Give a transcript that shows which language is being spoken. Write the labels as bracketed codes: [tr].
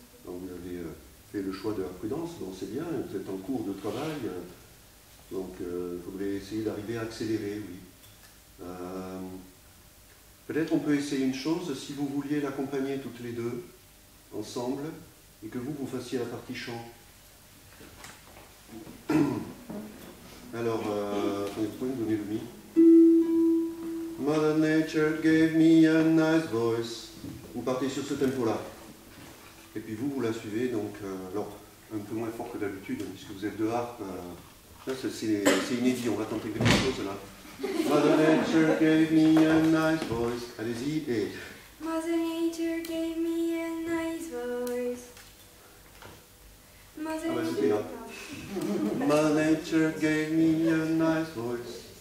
[fr] Donc, vous avez fait le choix de la prudence, donc c'est bien. Vous êtes en cours de travail, donc il faudrait essayer d'arriver à accélérer, oui. Peut-être on peut essayer une chose, si vous vouliez l'accompagner toutes les deux, ensemble, et que vous fassiez la partie chant. Alors, vous pouvez me donner le mi. [en] Mother Nature gave me a nice voice. [fr] Vous partez sur ce tempo-là. Et puis vous la suivez, donc, alors, un peu moins fort que d'habitude, puisque vous êtes de harpe. Là, c'est inédit, on va tenter quelque chose, là. [en] Mother Nature gave me a nice voice. [fr] Allez-y, et... [en] Mother Nature gave me a nice voice. Mother Nature. Mother Nature gave me a nice voice.